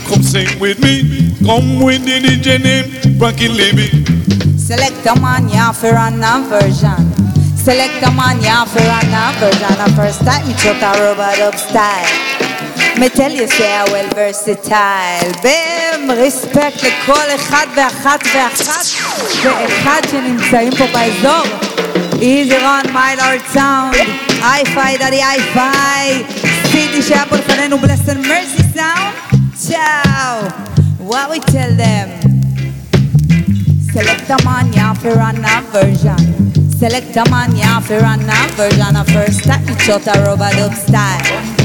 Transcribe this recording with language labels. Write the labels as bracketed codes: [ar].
[en] Come sing with me. Come with the DJ name, Frankie Levy. Select a man, yeah, for another version. Select a man, yeah, for another version. The first time you took a robot up style. Me tell you, say I well versatile. Bam! [he] Respect to כל אחד ואחת ואחת ואחד שנמצאים פה באזור. [en] Easy run, my lord sound. Hi-fi, daddy, hi-fi. City שהיה פה לפנינו, bless and mercy sound. Ciao! What we tell them? Select a man, yeah, for another version. Select a man, yeah, for another version. A first time you shot a rub-a-dub style.